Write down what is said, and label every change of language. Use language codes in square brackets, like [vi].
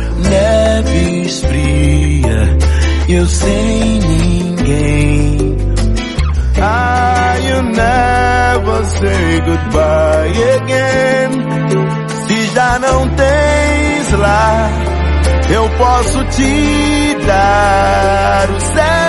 [pt] Neve fria, eu sem ninguém. [en] Ah, you never say goodbye again. [pt] Se já não tens lá, eu posso te dar o céu.